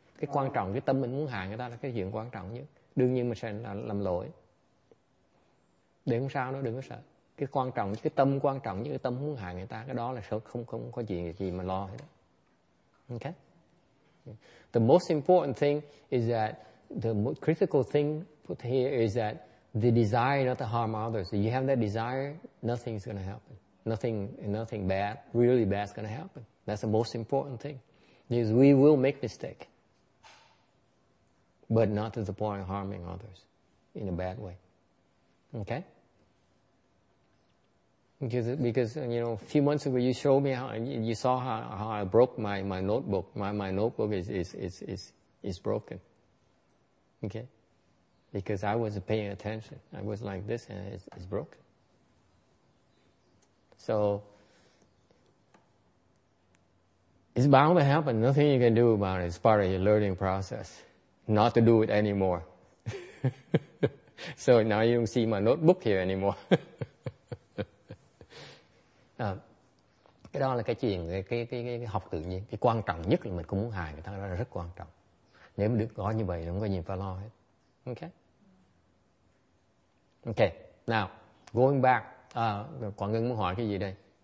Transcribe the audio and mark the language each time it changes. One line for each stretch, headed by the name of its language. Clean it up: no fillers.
Vietnamese: Cái quan trọng, cái tâm mình muốn hại người ta là cái chuyện quan trọng nhất. Đương nhiên mình sẽ làm lỗi. Đừng có sao đó, đừng có sợ. Cái quan trọng, cái tâm quan trọng như cái tâm muốn hại người ta, cái đó là không có chuyện gì mà lo hết.
English: Okay? The most important thing is that, the most critical thing put here is that the desire not to harm others. If you have that desire, nothing is going to happen. Nothing bad, really bad is going to happen. That's the most important thing. Because we will make mistakes. But not to the point of harming others in a bad way. Okay? Because you know, a few months ago you showed me how you saw how I broke my notebook. My notebook is broken. Okay? Because I wasn't paying attention. I was like this and it's broken. So it's bound to happen. Nothing you can do about it. It's part of your learning process. Not to do it anymore. So now you don't see my notebook here anymore.
Vietnamese: cái đó là cái chuyện cái học tự nhiên. Cái quan trọng nhất là mình cũng muốn hài người ta, đó là rất quan trọng. Nếu mà được có như vậy, không có gì phải lo hết. Okay. Okay.
English: Now going back,
Vietnamese: Quảng Ngân muốn hỏi cái gì đây?